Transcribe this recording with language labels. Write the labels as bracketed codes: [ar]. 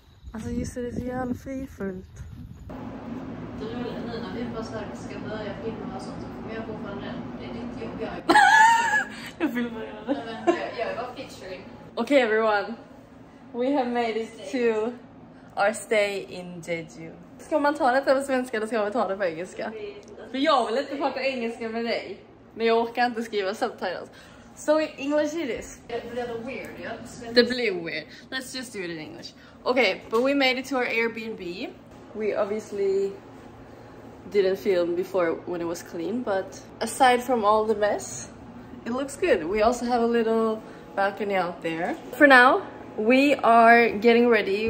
[sv] Alltså just det, det är så jävla frifullt. Du är väl nu när vi bara ska börja filma och sånt. Men jag kommer fortfarande redan. Det är ditt jobb jag gör. Jag filmar redan. Nej, men jag är bara featuring. [en] Okay everyone. We have made it to our stay in Jeju. [sv] Ska man ta det på svenska eller ska man ta det på engelska? För jag vill inte prata engelska med dig. Men jag orkar inte skriva subtitles. [en] So in English it is. It's a little weird, yeah? The blue weird. Let's just do it in English. Okay, but we made it to our Airbnb. We obviously didn't film before when it was clean, but aside from all the mess, it looks good. We also have a little balcony out there. For now, we are getting ready.